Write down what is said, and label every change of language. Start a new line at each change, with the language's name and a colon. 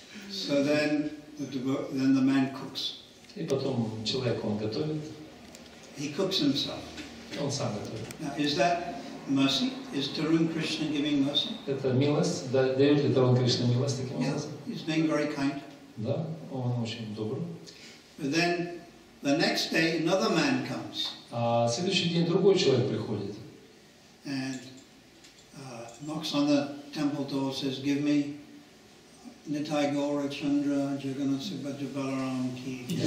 English: So then the man cooks.
Russian: И потом человек, он готовит.
English: He cooks himself.
Russian: Он сам готовит.
English: Now, is that mercy? Is Tarun Krishna giving mercy?
Russian: Это милость. Дает ли Тарун Кришна милость таким образом?
English: Yes, he's being very kind.
Russian: Да, он очень добрый.
English: But then, the next day, another man comes.
Russian: А следующий день другой человек приходит.
English: And knocks on the temple door, says, "Give me Nitai Gaura Chandra Jagannath Subhadra Balaram Ki."